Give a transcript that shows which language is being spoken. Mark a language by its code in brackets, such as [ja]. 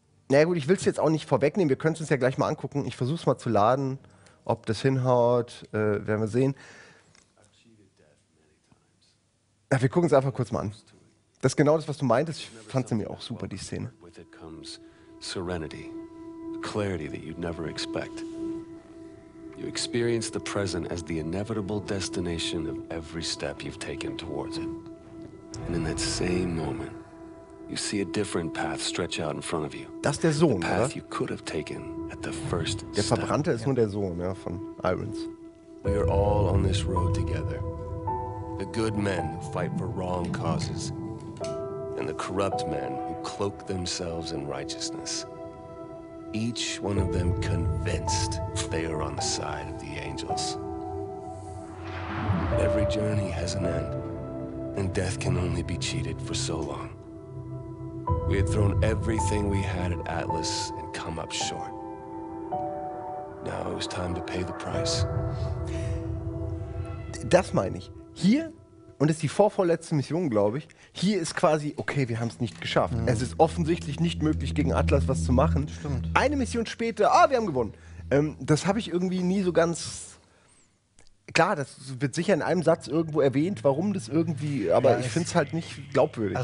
[de] Na gut, ich will es jetzt auch nicht vorwegnehmen. Wir können es uns ja gleich mal angucken. Ich versuche es mal zu laden. Ob das hinhaut, werden wir sehen. Ja, wir gucken es einfach kurz mal an. Das ist genau das, was du meintest. Ich fand es nämlich auch super, die Szene. Mit ihr kommt Serenity. Eine Klarheit, die du nie erwartet [en] You experience the present as the inevitable destination of every step you've taken towards it. And in that same moment, you see a different path stretch out in front of you. [de] Das ist der Sohn, oder? [en] The path you could have taken at the first step. [de] Der Verbrannte ist nur der Sohn, ja, von Irons. [en] We are all on this road together. The good men who fight for wrong causes. And the corrupt men who cloak themselves in righteousness. Each one of them convinced they are on the side of the angels. Every journey has an end, and death can only be cheated for so long. We had thrown everything we had at Atlas and come up short. Now it was time to pay the price. [de] Das meine ich. Hier, und das ist die vorvorletzte Mission, glaube ich, hier ist quasi, okay, wir haben es nicht geschafft. Mhm. Es ist offensichtlich nicht möglich, gegen Atlas was zu machen. Stimmt. Eine Mission später, wir haben gewonnen. Das habe ich irgendwie nie so ganz. Klar, das wird sicher in einem Satz irgendwo erwähnt, warum das irgendwie, aber ich finde es halt nicht glaubwürdig.